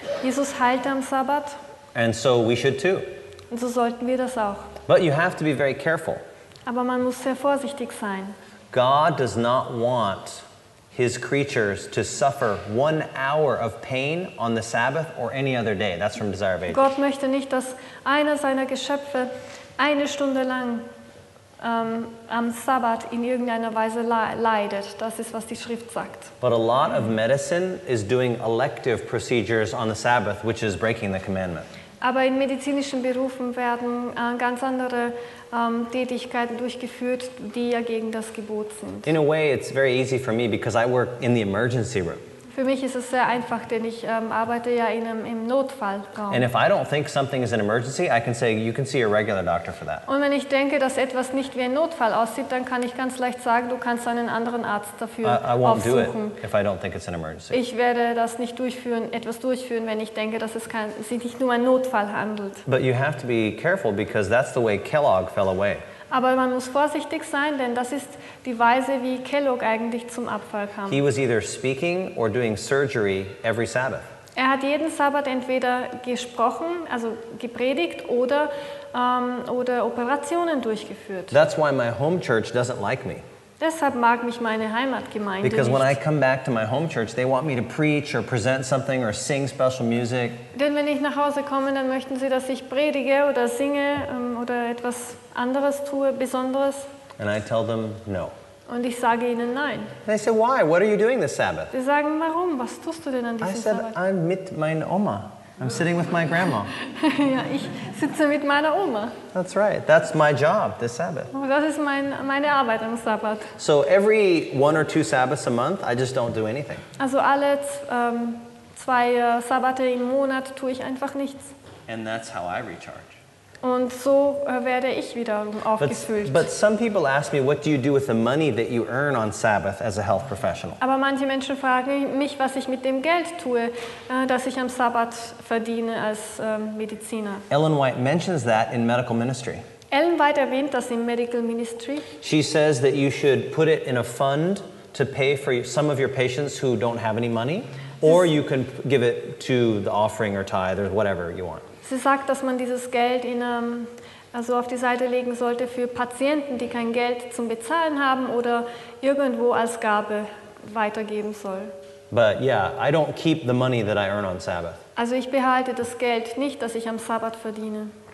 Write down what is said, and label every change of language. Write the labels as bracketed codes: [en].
[de] Jesus heilte am Sabbat. [en] And so we should too. [de] Und so sollten wir das auch. [en] But you have to be very careful. [de] Aber man muss sehr vorsichtig sein. [en] God does not want His creatures to suffer 1 hour of pain on the Sabbath or any other day. That's from Desire of Ages. [de] Gott möchte nicht, dass einer seiner Geschöpfe eine Stunde lang am Sabbat in irgendeiner Weise leidet. Das ist, was die Schrift sagt. [en] But a lot of medicine is doing elective procedures on the Sabbath, which is breaking the commandment. [de] Aber in medizinischen Berufen werden ganz andere Tätigkeiten durchgeführt, die ja gegen das Gebot sind. [en] In a way it's very easy for me because I work in the emergency room. [de] Für mich ist es sehr einfach, denn ich arbeite ja in im Notfallraum. [en] And if I don't think something is an emergency, I can say you can see a regular doctor for that. [de] Und wenn ich denke, dass etwas nicht wie ein Notfall aussieht, dann kann ich ganz leicht sagen, du kannst einen anderen Arzt dafür aufsuchen. [en] I won't do it if I don't think it's an emergency. [de] Ich werde das nicht etwas durchführen, wenn ich denke, dass es sich nicht nur um einen Notfall handelt. [en] But you have to be careful because that's the way Kellogg fell away. [de] Aber man muss vorsichtig sein, denn das ist die Weise, wie Kellogg eigentlich zum Abfall kam. [en] He was either speaking or doing surgery every Sabbath. [de] Er hat jeden Sabbat entweder gesprochen, also gepredigt, oder Operationen durchgeführt. [en] That's why my home church doesn't like me. [de] Deshalb mag mich meine Heimatgemeinde [en] Because [de] nicht. [en] When I come back to my home church, they want me to preach or present something or sing special music. [de] Denn wenn ich nach Hause komme, dann möchten sie, dass ich predige oder singe oder etwas anderes tue, Besonderes. [en] And I tell them no. [de] Und ich sage ihnen nein. [en] They say, why? What are you doing this Sabbath? [de] Sie sagen, warum? Was tust du denn an diesem Sabbat? [en] I said, I'm [de] mit meiner Oma. [en] I'm sitting with my grandma. [de] Ja, ich sitze mit meiner Oma. [en] That's right. That's my job this Sabbath. [de] Das ist meine Arbeit am Sabbat. [en] So every 1 or 2 Sabbaths a month, I just don't do anything. [de] Also alle 2 Sabbate im Monat tue ich einfach nichts. [en] And that's how I recharge. [de] Und so werde ich wiederum aufgefüllt. [en] But some people ask me, what do you do with the money that you earn on Sabbath as a health professional? [de] Aber manche Menschen fragen mich, was ich mit dem Geld tue, das ich am Sabbat verdiene als Mediziner. [en] Ellen White mentions that in medical ministry. [de] Ellen White erwähnt das in medical ministry. [en] She says that you should put it in a fund to pay for some of your patients who don't have any money, or you can give it to the offering or tithe or whatever you want. [de] Sie sagt, dass man dieses Geld also auf die Seite legen sollte für Patienten, die kein Geld zum Bezahlen haben oder irgendwo als Gabe weitergeben soll. [en] But yeah, I don't keep the money that I earn on Sabbath. [de] Also ich behalte das Geld nicht, das ich am Sabbat verdiene.